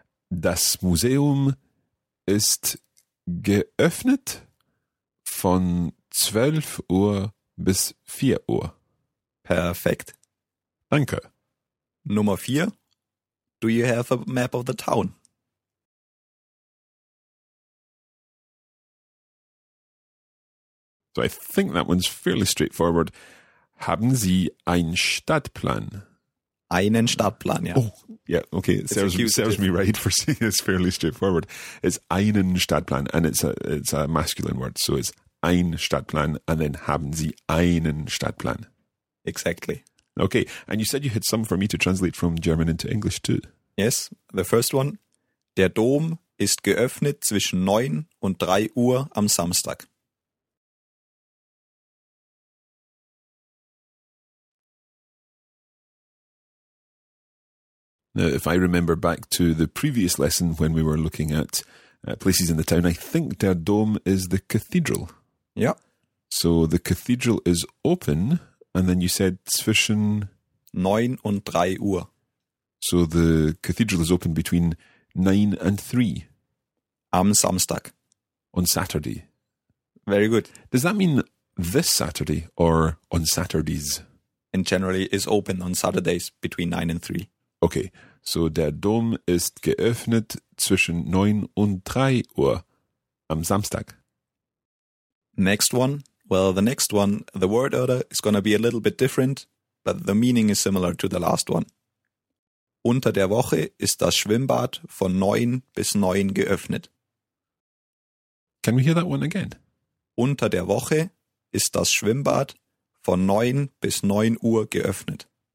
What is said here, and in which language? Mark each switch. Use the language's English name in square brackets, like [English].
[German] Das Museum ist geöffnet von 12 Uhr bis 4 Uhr. Perfekt. Danke. Nummer 4. [English] Do you have a map of the town? So I think that one's fairly straightforward. [German] Haben Sie ein Stadtplan? Einen Stadtplan, ja. [English] Oh, yeah, okay. It serves me right for saying it's fairly straightforward. It's einen Stadtplan, and it's a masculine word. So it's ein Stadtplan, and then [German] haben Sie einen Stadtplan. [English] Exactly. Okay, and you said you had some for me to translate from German into English too. Yes, the first one. [German] Der Dom ist geöffnet zwischen 9 und 3 Uhr am Samstag. [English] Now, if I remember back to the previous lesson when we were looking at places in the town, I think Der Dom is the cathedral. Yeah. So the cathedral is open, and then you said zwischen [German] 9 und 3 Uhr. [English] So the cathedral is open between 9 and 3. [German] Am Samstag. [English] On Saturday. Very good. Does that mean this Saturday or on Saturdays? And generally is open on Saturdays between 9 and 3. Okay, so [German] der Dom ist geöffnet zwischen 9 und 3 Uhr am Samstag. [English] Next one. Well, the next one, the word order is going to be a little bit different, but the meaning is similar to the last one. [German] Unter der Woche ist das Schwimmbad von 9 bis 9 geöffnet. [English] Can we hear that one again? [German] Unter der Woche ist das Schwimmbad von 9 bis 9 Uhr geöffnet.